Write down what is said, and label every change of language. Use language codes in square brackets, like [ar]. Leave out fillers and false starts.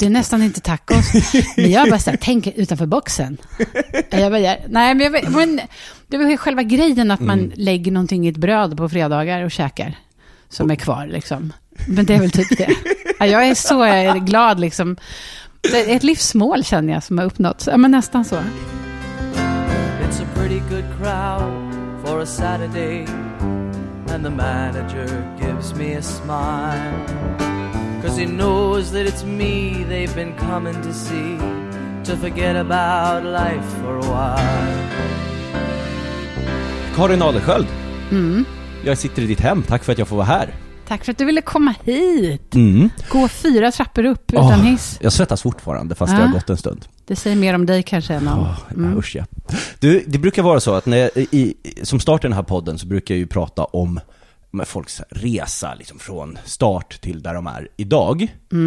[sv] Det är nästan inte tacos. Men jag bara såhär, tänk utanför boxen. Jag bara, nej, men jag bara, men det är själva grejen att man lägger någonting i ett bröd på fredagar och käkar som är kvar liksom. Men det är väl typ det. Jag är så glad liksom. Det är ett livsmål känner jag som har uppnåtts. Ja, men nästan så. [en] It's a pretty good crowd for a Saturday and the manager gives me a smile cause he knows that it's me they've been coming to see to forget about life for a while. [sv] Karin Adelsköld. Jag sitter i ditt hem. Tack för att jag får vara här. Tack för att du ville komma hit. Mm. Gå fyra trappor upp utan hiss. Jag svettas fortfarande fast jag har gått en stund. Det säger mer om dig kanske än om. Usch, ja. Du, det brukar vara så att när jag, som startar den här podden så brukar jag ju prata om med folks resa liksom, från start till där de är idag.